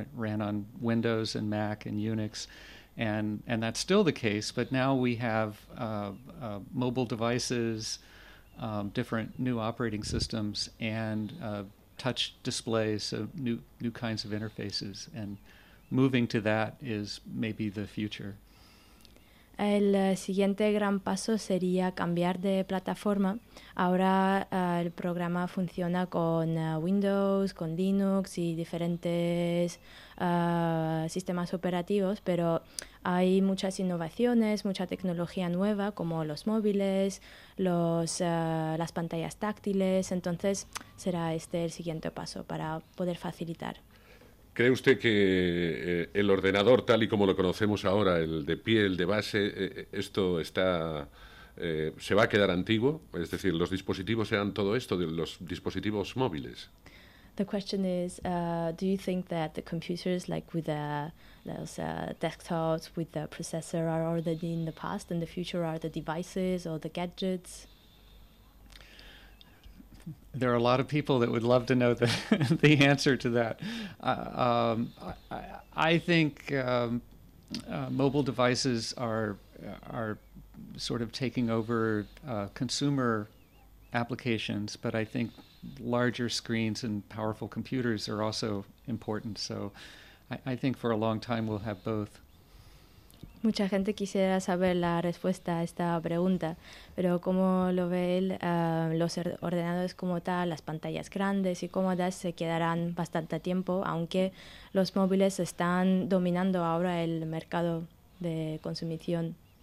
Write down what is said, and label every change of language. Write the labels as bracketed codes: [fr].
[en] It ran on Windows and Mac and Unix, and that's still the case. But now we have mobile devices, different new operating systems, and touch displays, so new kinds of interfaces, and moving to that is maybe the future. [es] El siguiente gran paso sería cambiar de plataforma. Ahora el programa funciona con Windows, con Linux y diferentes sistemas operativos, pero hay muchas innovaciones, mucha tecnología nueva, como los móviles, las pantallas táctiles. Entonces será este el siguiente paso para poder facilitar. ¿Cree usted que el ordenador, tal y como lo conocemos ahora, el de pie, el de base, esto está se va a quedar antiguo? Es decir, ¿los dispositivos sean todo esto, de los dispositivos móviles? [en] The question is, do you think that the computers, like with those desktops, with the processor, are already in the past, and the future are the devices or the gadgets? There are a lot of people that would love to know the answer to that. I think mobile devices are sort of taking over consumer applications, but I think larger screens and powerful computers are also important. So I think for a long time we'll have both. [es] Mucha gente quisiera saber la respuesta a esta pregunta, pero ¿cómo lo ve él? Los ordenadores como tal, las pantallas grandes y cómodas se quedarán bastante tiempo, aunque los móviles están dominando ahora el mercado de consumición.